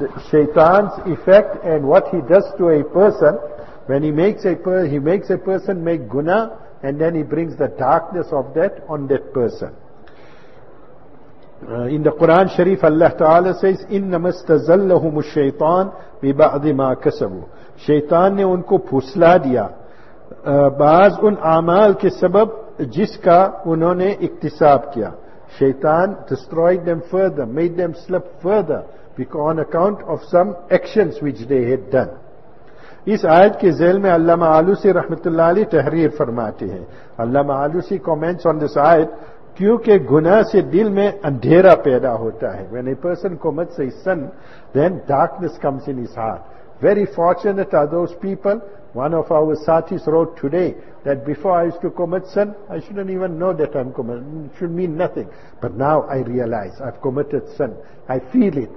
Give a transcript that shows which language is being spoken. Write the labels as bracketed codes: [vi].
[en] Shaitan's effect and what he does to a person, when he makes a person make guna, and then he brings the darkness of that on that person. In the Quran Sharif, Allah Ta'ala says, [ar] إِنَّمَا اسْتَزَلَّهُمُ الشَّيْطَانِ بِبَعْضِ مَا كَسَبُوا. [ur] Shaitan ne unko phusla diya. بعض ان اعمال کے سبب جس کا انہوں نے اکتساب کیا. [en] شیطان destroyed them further, made them slip further because on account of some actions which they had done. [ur] اس آیت کے ذیل میں علامہ آلوسی رحمت اللہ علیہ تحریر فرماتے ہیں. علامہ آلوسی [en] comments on this [ur] آیت, کیونکہ گناہ سے دل میں اندھیرا پیدا ہوتا ہے. [en] When a person commits a sin, then darkness comes in his heart. Very fortunate are those people. One of our satis wrote today that before I used to commit sin, I shouldn't even know that I'm committing. It should mean nothing. But now I realize I've committed sin. I feel it.